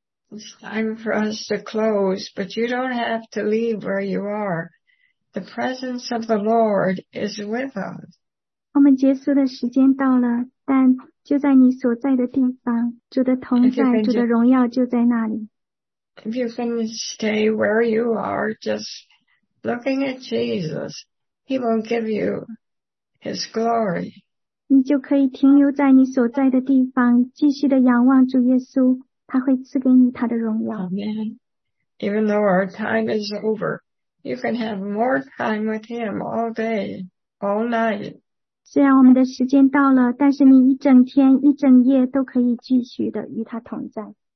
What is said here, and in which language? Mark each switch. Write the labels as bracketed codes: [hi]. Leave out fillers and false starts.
[en] It's time for us to close, but you don't have to leave where you are. The presence of the Lord is with us. [zh] 我们结束的时间到了，但就在你所在的地方，主的同在，主的荣耀就在那里。 [en] If you can stay where you are, just looking at Jesus, He will give you His glory. [zh] 你就可以停留在你所在的地方，继续的仰望主耶稣，他会赐给你他的荣耀。 [en] Amen. Even though our time is over, you can have more time with him all day, all night. [zh] 虽然我们的时间到了，但是你一整天、一整夜都可以继续的与他同在。